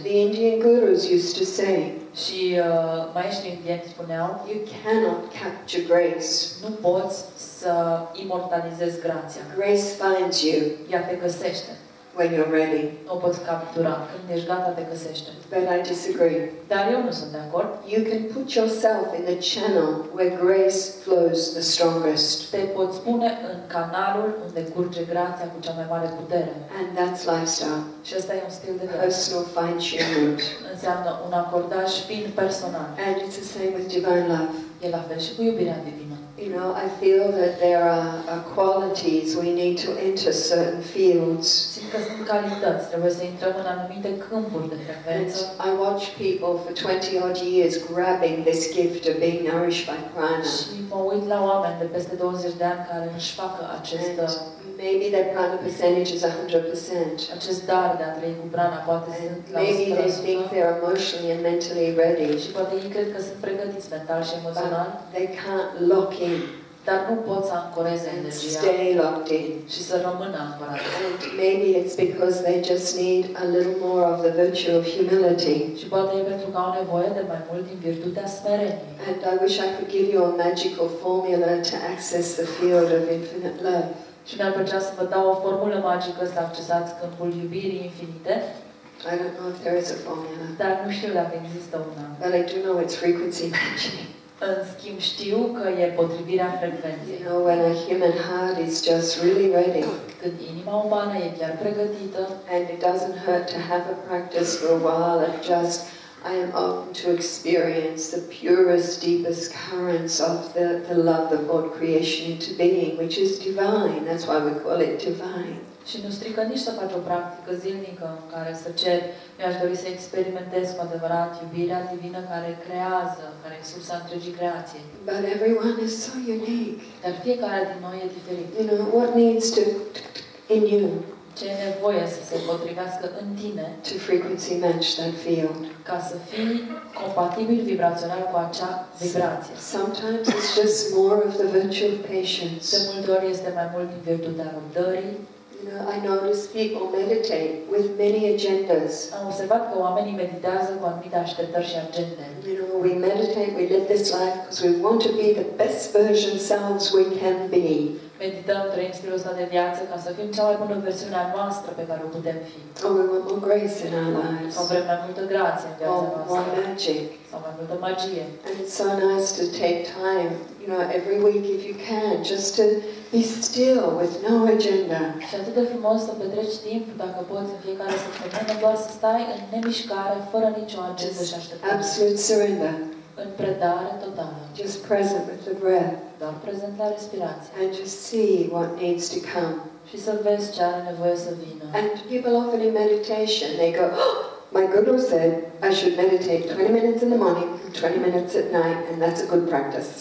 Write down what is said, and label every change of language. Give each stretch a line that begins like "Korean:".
English: The Indian gurus used to say.
Romanian: Și maestrii indieni spuneau,
English: you cannot capture grace.
Romanian: Nu poți să imortalizezi grația.
English: Grace finds you.
Romanian: Ea te găsește.
English: When you're ready.
Romanian: O poți captura. Când ești gata, te găsește.
English: But I disagree.
Romanian: Dar eu nu sunt de acord.
English: You can put yourself in the channel where grace flows the strongest.
Romanian: Te poți pune în canalul unde curge grația cu cea mai mare putere.
English: And that's lifestyle.
Romanian: Și asta e un stil de
English: viață. Personal fine-tuned.
Romanian: Înseamnă un acordaj fin personal.
English: And it's the same with divine love.
Romanian: E la fel și cu iubirea divină.
English: You know, I feel that there are qualities we need to enter certain fields.
Romanian: Simt că sunt calități, trebuie să intrăm în anumite câmpuri de frecvență.
English: I watch people for 20 odd years grabbing this gift of being nourished by prana.
Romanian: Și mă uit la oameni de peste 20 de ani care își facă acest
English: maybe their prana percentage is 100%.
Romanian: Acest dar de a trăi cu prana poate sunt la 100%.
English: Maybe they think they're emotionally and mentally ready.
Romanian: Și poate ei cred că sunt pregătiți mental și emoțional.
English: But they can't lock in.
Romanian: Dar nu pot să ancoreze energia.
English: Stay locked in.
Romanian: Și să rămână ancorat.
English: And maybe it's because they just need a little more of the virtue of humility.
Romanian: Și poate e pentru că au nevoie de mai mult din virtutea smereniei.
English: And I wish I could give you a magical formula to access the field of infinite love.
Romanian: Și mi-ar plăcea să vă dau o formulă magică să accesați câmpul iubirii infinite.
English: I don't know if there is a formula.
Romanian: Dar nu știu dacă există una.
English: But I do know it's frequency matching.
Romanian: În schimb, știu că e potrivirea frecvenței.
English: You know, when a human heart is just really ready.
Romanian: Când inima umană e chiar pregătită.
English: And it doesn't hurt to have a practice for a while and just I am open to experience the purest, deepest currents of the love that brought creation into being, which is divine. That's why we call it divine.
Romanian: Și nu strică nici să faci o practică zilnică în care să cer, mi-aș dori să experimentez cu adevărat iubirea divină care creează, care e sursa întregii creației.
English: But everyone is so unique.
Romanian: Dar fiecare din noi e diferit.
English: You know, what needs to in you?
Romanian: Ce e nevoie să se potrivească în tine
English: to frequency match that field.
Romanian: Ca să fii compatibil vibrațional cu acea vibrație.
English: Sometimes it's just more of the virtue of patience.
Romanian: De multe ori este mai mult din virtutea răbdării.
English: You know, I notice people meditate with many agendas.
Romanian: Am observat că oamenii meditează cu anumite așteptări și agende.
English: You know, we meditate, we live this life because we want to be the best version selves we can be.
Romanian: medităm trăinstrul ăsta de viață ca să fim cea mai bună versiune a noastră pe care o putem fi.
English: Oh, we want more grace in our lives.
Romanian: O vrem mai multă grație în viața noastră.
English: Oh, more magic.
Romanian: O mai multă magie.
English: And it's so nice to take time, you know, every week if you can, just to be still with no agenda.
Romanian: Și atât de frumos să petreci timp, dacă poți, în fiecare săptămână, doar să stai în nemișcare, fără nicio agendă și așteptare.
English: Absolute surrender.
Romanian: În predare totală.
English: Just present with the breath.
Romanian: Doar prezent la respirație.
English: And just see what needs to come.
Romanian: Și să vezi ce are nevoie să vină.
English: And people often in meditation, they go, oh, my guru said I should meditate 20 minutes in the morning, 20 minutes at night, and that's a good practice.